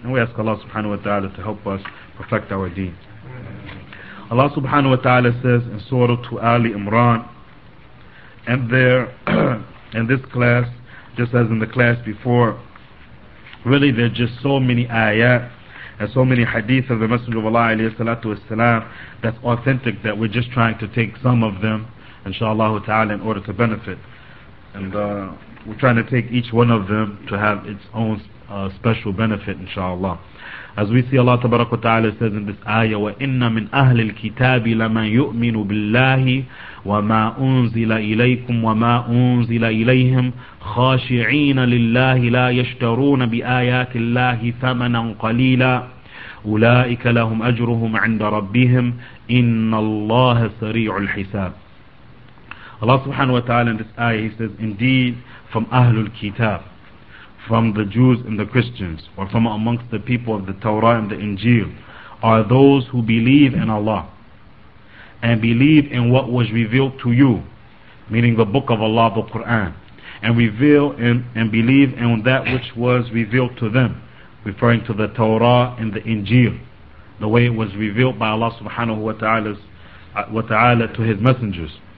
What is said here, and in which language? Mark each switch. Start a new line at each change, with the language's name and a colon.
English: And we ask Allah subhanahu wa ta'ala to help us perfect our deen. Allah subhanahu wa ta'ala says in Surah to Ali Imran, and there, in this class, just as in the class before, really there are just so many ayat and so many hadith of the Messenger of Allah alayhi salatu wasalam that's authentic, that we're just trying to take some of them, inshaAllah ta'ala, in order to benefit. And we're trying to take each one of them to have its own special benefit, inshaAllah. As we see, Allah tabarak wa ta'ala says in this ayah,
Arabic: وَإِنَّ مِنْ أَهْلِ الْكِتَابِ لَمَنْ يُؤْمِنُ بِاللَّهِ وَمَا أُنزِلَ إِلَيْكُمْ وَمَا أُنزِلَ إِلَيْهِمْ خَاشِعِينَ لِلَّهِ لَا يَشْتَرُونَ بِآيَاتِ اللَّهِ ثَمَنًا قَلِيلًا أُولَئِكَ لَهُمْ أَجْرُهُمْ عِنْدَ رَبِّهِمْ إِنَّ اللَّهَ سَرِيعُ الْحِسَابِ.
English: Allah subhanahu wa ta'ala in this ayah, he says, indeed, from Ahlul Kitab, from the Jews and the Christians, or from amongst the people of the Torah and the Injil, are those who believe in Allah and believe in what was revealed to you, meaning the book of Allah, the Quran, and believe in that which was revealed to them, referring to the Torah and the Injil, the way it was revealed by Allah subhanahu wa ta'ala to His messengers.